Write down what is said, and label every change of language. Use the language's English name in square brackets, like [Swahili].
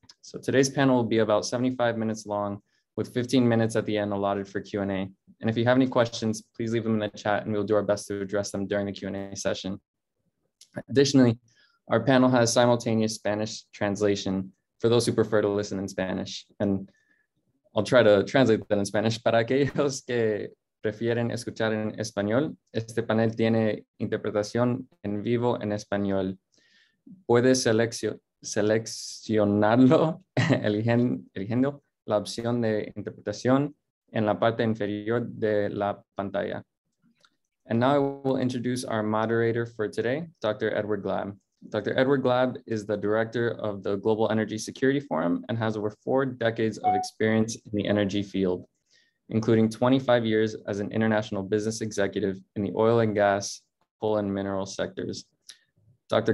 [English] So today's panel will be about 75 minutes long, with 15 minutes at the end allotted for Q&A. And if you have any questions, please leave them in the chat and we'll do our best to address them during the Q&A session. Additionally, our panel has simultaneous Spanish translation for those who prefer to listen in Spanish. And I'll try to translate that in Spanish. [Spanish] Para aquellos que prefieren escuchar en español, este panel tiene interpretación en vivo en español. Puede seleccionarlo, eligiendo la opción de interpretación en la parte inferior de la pantalla. [English] And now I will introduce our moderator for today, Dr. Edward Glab. Dr. Edward Glab is the director of the Global Energy Security Forum and has over four decades of experience in the energy field, including 25 years as an international business executive in the oil and gas, coal and mineral sectors. Dr.